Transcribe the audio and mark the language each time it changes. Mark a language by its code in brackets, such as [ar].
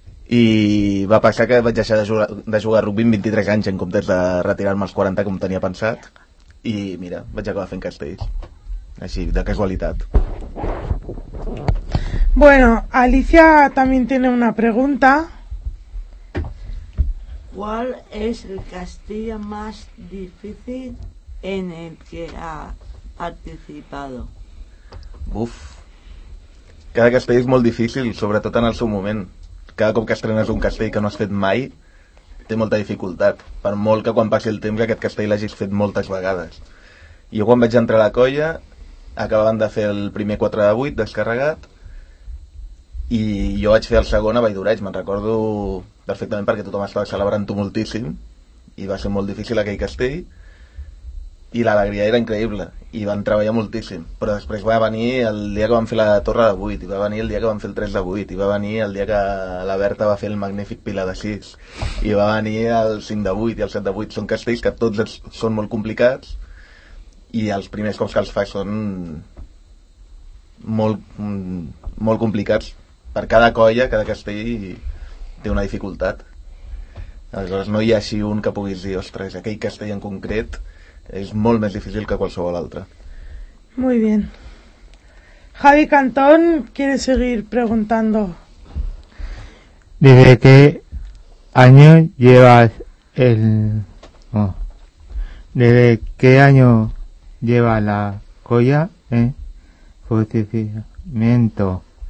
[ca] I va passar que vaig deixar de jugar a rugbi amb 23 anys en comptes de retirar-me als 40 com tenia pensat, i mira, vaig acabar fent castells, així, de casualitat. [es] Bueno, Alicia también tiene una pregunta. ¿Cuál es el castillo más difícil en el que ha participado? [ca] Uf, cada castell és molt difícil, sobretot en el seu moment. Cada cop que estrenes un castell que no has fet mai, té molta dificultat, per molt que quan passi el temps aquest castell l'hagis fet moltes vegades. Jo quan vaig entrar a la colla, acabaven de fer el primer 4 de 8 descarregat, i jo vaig fer el segon a Valldoreix, me'n recordo perfectament perquè tothom estava celebrant-ho moltíssim i va ser molt difícil aquell castell i l'alegria era increïble i van treballar moltíssim, però després va venir el dia que vam fer la Torre de 8 i va venir el dia que vam fer el 3 de 8 i va venir el dia que la Berta va fer el magnífic Pilar de 6 i va venir el 5 de 8 i el 7 de 8. Són castells que tots són molt complicats i els primers cops que els faig són molt, molt complicats. Per cada colla, cada castell té una dificultat. Aleshores, no hi ha així un que puguis dir, ostres, aquell castell en concret és molt més difícil que qualsevol altre. [es] Muy bien. Javi Cantón, ¿quieres seguir preguntando? ¿Desde qué año llevas el... ¿Desde qué año lleva la colla en funcionamiento?